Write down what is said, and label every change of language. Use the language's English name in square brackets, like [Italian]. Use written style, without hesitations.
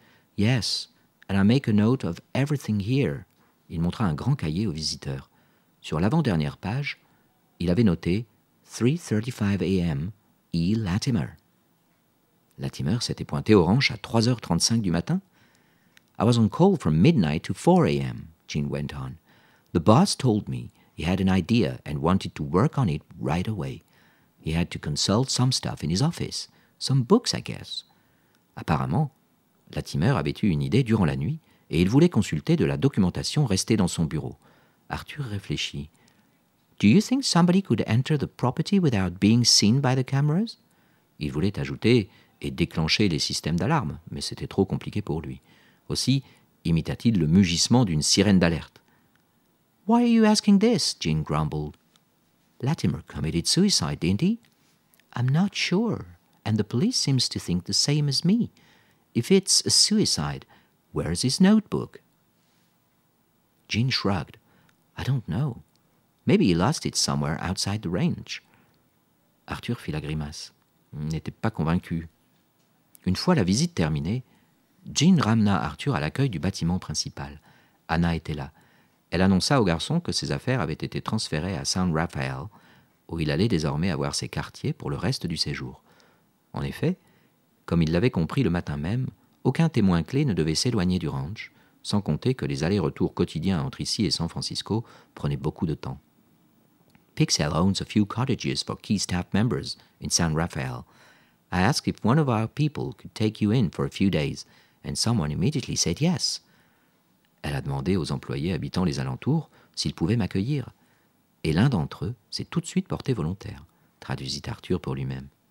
[English] « Yes, and I make a note of everything here. » [French] Il montra un grand cahier au visiteur. Sur l'avant-dernière page, il avait noté « 3:35 a.m. E. Latimer. » Latimer s'était pointé orange à 3:35 du matin. [English] « I was on call from midnight to 4 a.m. » Gene went on. The boss told me he had an idea and wanted to work on it right away. He had to consult some stuff in his office, some books, I guess. [French] Apparemment, Latimer avait eu une idée durant la nuit et il voulait consulter de la documentation restée dans son bureau. Arthur réfléchit. [English] Do you think somebody could enter the property without being seen by the cameras? [French] Il voulait ajouter et déclencher les systèmes d'alarme, mais c'était trop compliqué pour lui. Aussi, imita-t-il le mugissement d'une sirène d'alerte. [English] Why are you asking this? Gene grumbled. Latimer committed suicide, didn't he? I'm not sure, and the police seems to think the same as me. If it's a suicide, where's his notebook? Gene shrugged. I don't know. Maybe he lost it somewhere outside the range. [French] Arthur fit la grimace. Il n'était pas convaincu. Une fois la visite terminée, Gene ramena Arthur à l'accueil du bâtiment principal. Anna était là. Elle annonça au garçon que ses affaires avaient été transférées à San Rafael, où il allait désormais avoir ses quartiers pour le reste du séjour. En effet, comme il l'avait compris le matin même, aucun témoin clé ne devait s'éloigner du ranch, sans compter que les allers-retours quotidiens entre ici et San Francisco prenaient beaucoup de temps. [English] Pixel owns a few cottages for key staff members in San Rafael. I asked if one of our people could take you in for a few days, and someone immediately said yes. [French] Elle a demandé aux employés habitant les alentours s'ils pouvaient m'accueillir. Et l'un d'entre eux s'est tout de suite porté volontaire, traduisit Arthur pour lui-même.